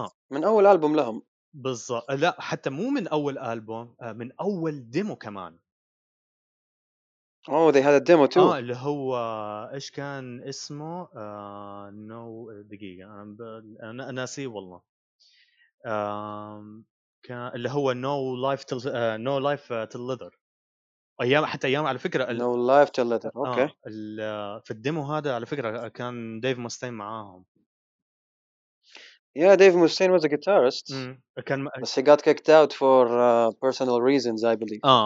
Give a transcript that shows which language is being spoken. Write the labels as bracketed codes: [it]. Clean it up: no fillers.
[ar] من اول البوم لهم بالظبط لا حتى مو من اول البوم من اول ديمو كمان [en] Oh, they had a demo too. [ar] اللي هو إيش كان اسمه؟ No, دقيقة. أنا ناسي والله. كان اللي هو No Life Till No Life Till Leather. أيام حتى أيام على فكرة. [en] No Life Till Leather. Okay. [ar] في الديمو هذا على فكرة كان ديف موستين معاهم. [en] Yeah, Dave Mustaine was a guitarist. [ar] كان. [en] But he got kicked out for personal reasons, I believe.